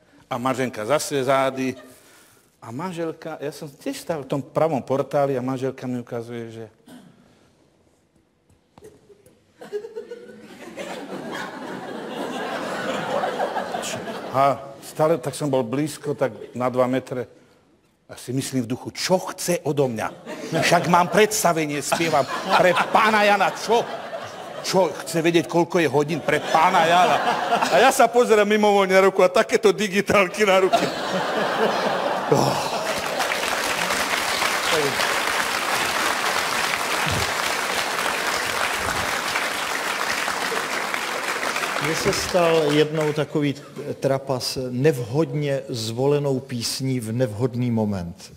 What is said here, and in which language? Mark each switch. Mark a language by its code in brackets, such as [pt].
[cs] A Maženka zase zády. A manželka, já jsem těž stál v tom pravom portáli a manželka mi ukazuje, že... A stále, tak jsem byl blízko, tak na 2 metry. [sk] A si myslím v duchu, čo chce odo mňa? Však mám predstavenie, spievam pre pána Jana, čo? Čo chce vedieť, koľko je hodín pre pána Jana? A ja sa pozerám mimovoľne na ruku a takéto digitálky na ruky. Oh. [cs] Mně se stal jednou takový trapas nevhodně zvolenou písní v nevhodný moment.